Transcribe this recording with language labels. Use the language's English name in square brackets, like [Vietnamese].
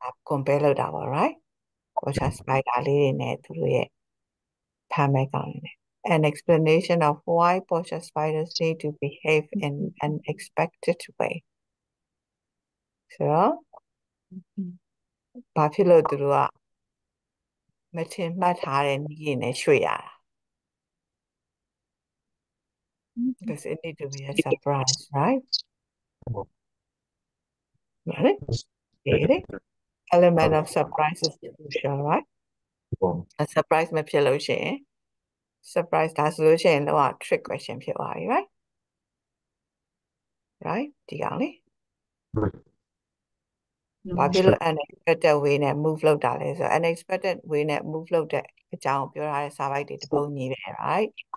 [Burmese] compare လုပ်တာပါ right Porsche spider လေးတွေနဲ့သူတို့ရဲ့ဖမ်းမဲ့ကောင်နေ [English] an explanation of why Porsche spiders need to behave in an expected way [Burmese] ဆိုတော့ဘာဖြစ်လို့သူတို့ကမထင်မှတ်ထားတဲ့နည်းနဲ့ရွှေ့ရတာ [English] Does it need to be a surprise, right? Right? Okay. Element of surprise is crucial, right? [Burmese] A surprise မဖြစ်လို့ရှိရင် surprise ဒါဆိုလို့ရှိရင်တော့ trick question ဖြစ်သွားပြီ right? Right? ဒီအောင်လေ [English] No. [Burmese] ဘာဖြစ်လို့ unexpected way နဲ့ move လုပ်တာလဲဆို unexpected way နဲ့ move လုပ်တဲ့အကြောင်းကိုပြောထားတဲ့စာပိုက်တွေတစ်ပုဒ်ညီပဲ right?